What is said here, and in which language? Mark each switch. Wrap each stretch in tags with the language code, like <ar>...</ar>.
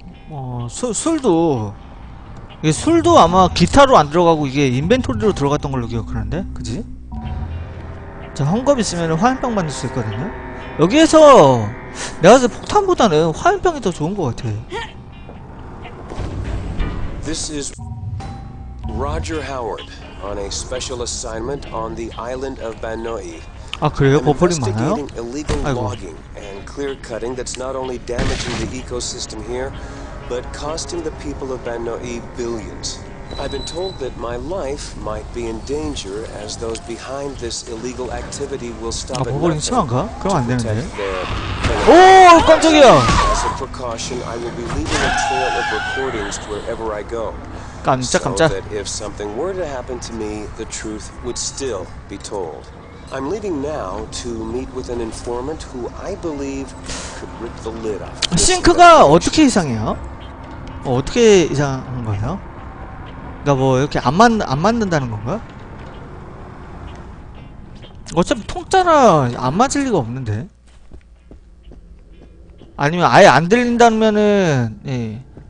<ko>어, 술도 이게 술도 아마 기타로 안 들어가고 이게 인벤토리로 들어갔던 걸로 기억하는데, 그지? 자, 헌겁 있으면 화염병 만들 수 있거든요. 여기에서 내가 이제 폭탄보다는 화염병이 더 좋은 것 같아.</ko> <en>This is Roger Howard on a special assignment on the island of Banoi.</en> <ko>아, 그래요? 버퍼링 많아요? 아이고.</ko> <en>Clear cutting that's not only damaging the ecosystem here, but costing the people of Banoi billions. I've been told that my life might be in danger as those behind this illegal activity will stop</en> <ko>it. 아, 버린 치마가? 그럼 안 되는데. 오, 깜짝이야.</ko> <en>As a precaution, I will be leaving a trail of recordings wherever I go.</en> <ko>깜짝 깜짝.</ko> <en>So that if something were to happen to me, the truth would still be told. I'm leaving now to meet with an informant who I believe could rip the lid off.</en> <ko>싱크가 어떻게 이상해요? 뭐 어떻게 이상한 거예요? 그러니까 뭐 이렇게 안 맞는다는 건가? 어차피 통짜라 안 맞을 리가 없는데. 아니면 아예 안 들린다면은 예.</ko>